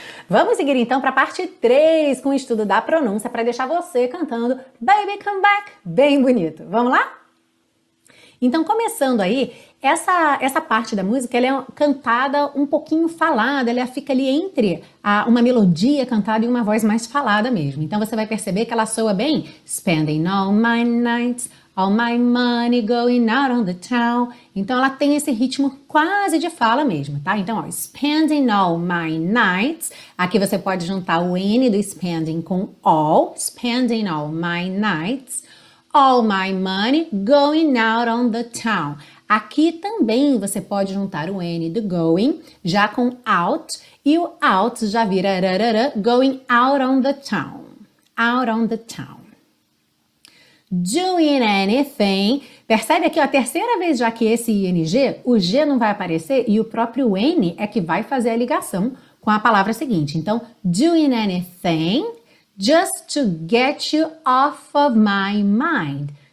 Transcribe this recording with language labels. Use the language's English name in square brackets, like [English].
[Portuguese] Vamos seguir então para a parte 3 com o estudo da pronúncia para deixar você cantando Baby Come Back bem bonito. Vamos lá? Então, começando aí, essa parte da música, ela é cantada um pouquinho falada, ela fica ali entre uma melodia cantada e uma voz mais falada mesmo. Então, você vai perceber que ela soa bem. [English] Spending all my nights, all my money going out on the town. [Portuguese] Então, ela tem esse ritmo quase de fala mesmo, tá? Então, ó, [English] spending all my nights. [Portuguese] Aqui você pode juntar o N do spending com all. [English] Spending all my nights. All my money going out on the town. [Portuguese] Aqui também você pode juntar o N do going já com out. E o out já vira [English] rarara, going out on the town. Out on the town. Doing anything. [Portuguese] Percebe aqui, ó, a terceira vez já que esse ING, o G não vai aparecer e o próprio N é que vai fazer a ligação com a palavra seguinte. [English] Então, doing anything. Just to get you off of my mind.